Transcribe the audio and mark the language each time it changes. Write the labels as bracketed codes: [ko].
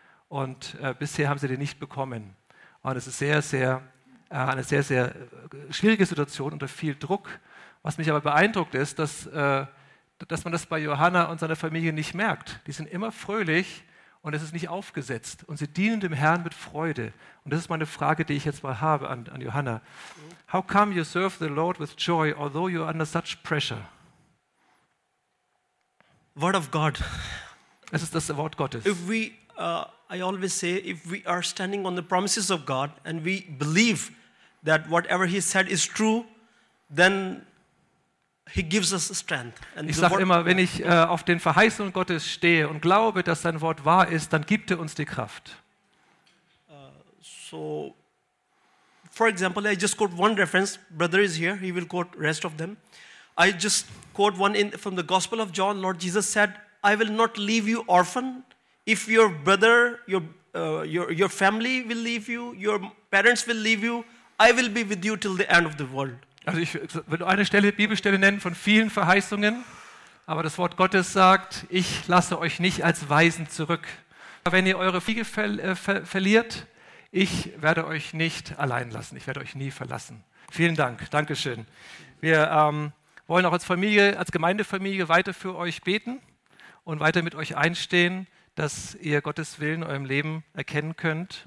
[de] Und bisher haben sie die nicht bekommen. Und es ist eine sehr, sehr schwierige Situation unter viel Druck. Was mich aber beeindruckt ist, dass man das bei Johanna und seiner Familie nicht merkt. Die sind immer fröhlich und es ist nicht aufgesetzt. Und sie dienen dem Herrn mit Freude. Und das ist meine Frage, die ich jetzt mal habe an Johanna. [en] How come you serve the Lord with joy, although you're under such pressure? Word of God. [de] Es ist das Wort Gottes. [en] I always say, if we are standing on the promises of God and we believe that whatever He said is true, then He gives us strength. And [de] ich sage immer, wenn ich auf den Verheißungen Gottes stehe und glaube, dass sein Wort wahr ist, dann gibt er uns die Kraft. [en] So, for example, I just quote one reference. Brother is here; he will quote rest of them. I just quote one from the Gospel of John. Lord Jesus said, "I will not leave you orphan." If your brother, your family will leave you, your parents will leave you, I will be with you till the end of the world. [de] Also ich will nur eine Stelle, Bibelstelle nennen von vielen Verheißungen, aber das Wort Gottes sagt, ich lasse euch nicht als Waisen zurück. Wenn ihr eure Fliege verliert, ich werde euch nicht allein lassen, ich werde euch nie verlassen. Vielen Dank, Dankeschön. Wir wollen auch als Familie, als Gemeindefamilie weiter für euch beten und weiter mit euch einstehen, dass ihr Gottes Willen in eurem Leben erkennen könnt.